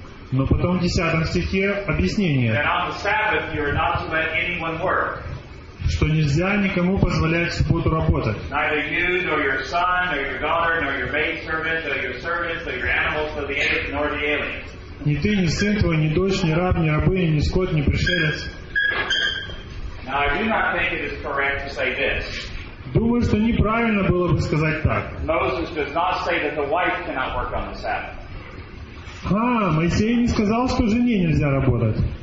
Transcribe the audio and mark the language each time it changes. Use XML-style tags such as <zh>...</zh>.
<ru>Но потом в 10 стихе объяснение.</ru> <en>And on the Sabbath you are not to let anyone work.</en> <ru>Что нельзя никому позволять в субботу работать.</ru> <en>Neither you, nor your son, nor your daughter, nor your maidservant, nor your servants, nor your animals, nor the eunuch, nor the alien.</en> <ru>Ни ты, ни сын твой, ни дочь, ни раб, ни рабыня, ни скот, ни пришелец.</ru> <en>Now I do not think it is correct to say this.</en> <ru>Думаю, что неправильно было бы сказать так.</ru> <en>Moses does not say that the wife cannot work on the Sabbath.</en> <ru>А, Моисей не сказал, что жене нельзя работать.</ru>